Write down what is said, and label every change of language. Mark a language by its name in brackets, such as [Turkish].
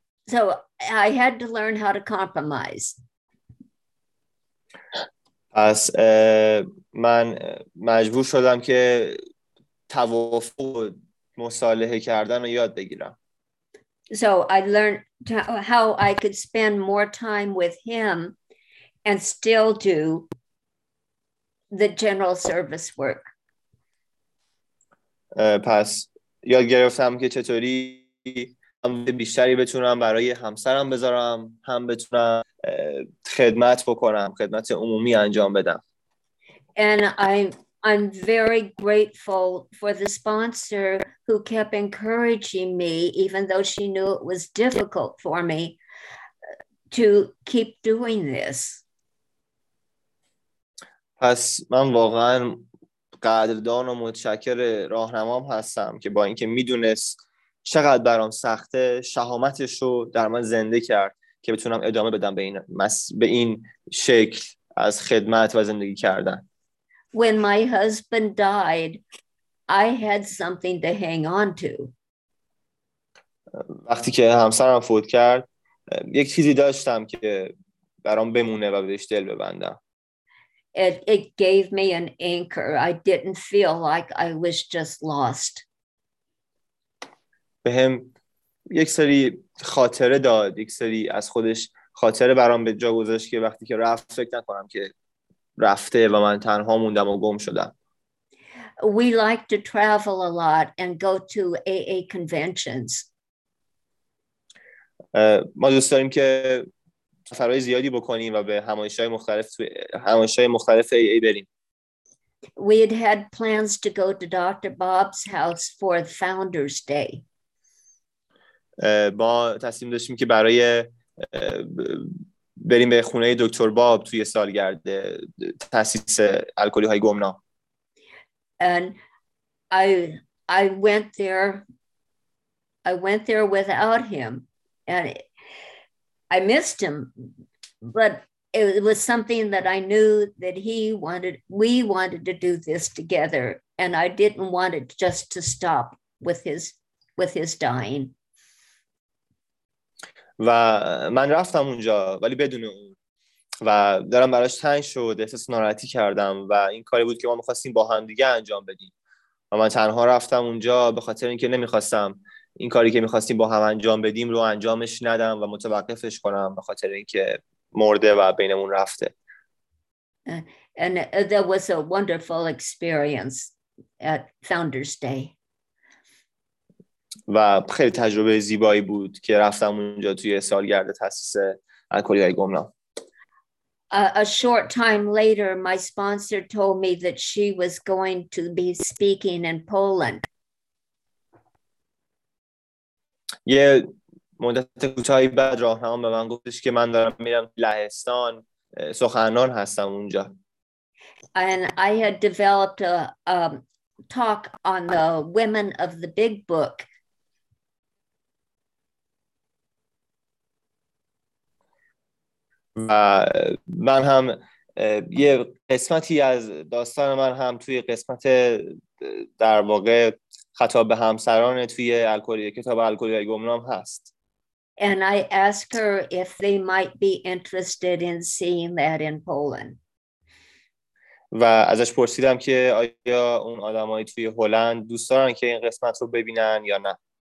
[English] So I had to learn how to compromise. [Persian] پس من مجبور شدم که توافق و مصالحه کردن رو یاد بگیرم. [English] So I learned how I could spend more time with him and still do the general service work. [Persian] پس یاد گرفتم که چطوری بیشتری بتونم برای همسرم بذارم، هم بتونم خدمت بکنم، خدمت عمومی انجام بدم. [English] And I'm very grateful for the sponsor who kept encouraging me, even though she knew it was difficult for me, to keep doing this. [Persian] پس من واقعا قدردان و متشکر راهنمام هستم که با اینکه میدونست چقدر برام سخته، شهامتش رو در من زنده کرد که بتونم ادامه بدم به این شکل از خدمت و زندگی کردن. [English] When my husband died, I had something to hang on to. [Persian] وقتی که همسرم فوت کرد، یک چیزی داشتم که برام بمونه و بهش دل ببندم. [English] It gave me an anchor. I didn't feel like I was just lost. [Persian] به هم یک سری خاطره داد، یک سری از خودش خاطره برام به جا گذاشت که وقتی که رفت فکر نکنم که رفته و من تنها موندم و گم شدم. [English] We like to travel a lot and go to AA conventions. [Persian] ما دوست داریم که سفرهای زیادی بکنیم و به همایش‌های مختلف AA بریم. [English] We had plans to go to Dr. Bob's house for Founders Day. [Persian] ما تصمیم داشتیم که برای بریم به خونه دکتر باب توی سالگرد تأسیس الکلی های گمنام. [English] And I went there without him, and I missed him, but it was something that I knew that we wanted to do this together, and I didn't want it just to stop with his dying. [Persian] و من رفتم اونجا ولی بدون اون و دارم براش تنگ شد، احساس ناراحتی کردم و این کاری بود که ما میخواستیم با هم دیگه انجام بدیم و من تنها رفتم اونجا به خاطر اینکه نمیخواستم این کاری که میخواستیم با هم انجام بدیم رو انجامش ندم و متوقفش کنم به خاطر اینکه مرده و بینمون رفته. [English] And that was a wonderful experience at Founders Day. [Persian] و خیلی تجربه زیبایی بود که رفتم اونجا توی سالگرد تأسیس الکلی های گمنام. [English] A short time later, my sponsor told me that she was going to be speaking in Poland. [Persian] یه مدت کوتاهی بعد راهنما به من گفتش که من دارم میرم لهستان سخنران هستم اونجا. [English] And I had developed a talk on the women of the big book. [Persian] و من هم یه قسمتی از داستان من هم توی قسمت در واقع خطاب به همسران توی الکلی کتاب الکلی های گمنام هست. [English] And I asked her if they might be interested in seeing that in Poland. [Persian] و ازش پرسیدم که آیا اون آدمای توی هلند دوست دارن که این قسمت رو ببینن یا نه.